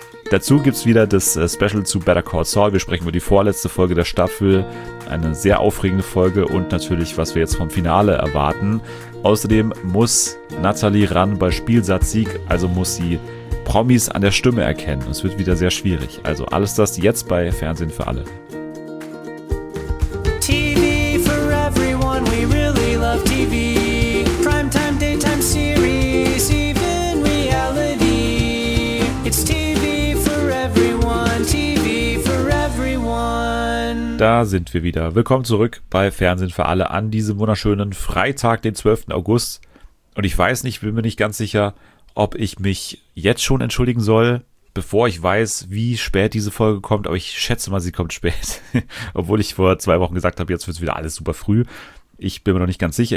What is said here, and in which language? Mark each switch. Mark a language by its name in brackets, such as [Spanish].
[German] Dazu gibt es wieder das Special zu Better Call Saul. Wir sprechen über die vorletzte Folge der Staffel, eine sehr aufregende Folge und natürlich, was wir jetzt vom Finale erwarten. Außerdem muss Natalie ran bei Spielsatzsieg, also muss sie Promis an der Stimme erkennen. Es wird wieder sehr schwierig. Also alles das jetzt bei Fernsehen für alle. [English] TV for everyone, we really love TV. Primetime, daytime series, even reality. It's TV for everyone, TV for everyone. [German] Da sind wir wieder. Willkommen zurück bei Fernsehen für alle an diesem wunderschönen Freitag, den 12. August. Und ich weiß nicht, bin mir nicht ganz sicher, ob ich mich jetzt schon entschuldigen soll, bevor ich weiß, wie spät diese Folge kommt. Aber ich schätze mal, sie kommt spät. Obwohl ich vor 2 Wochen gesagt habe, jetzt wird es wieder alles super früh. Ich bin mir noch nicht ganz sicher.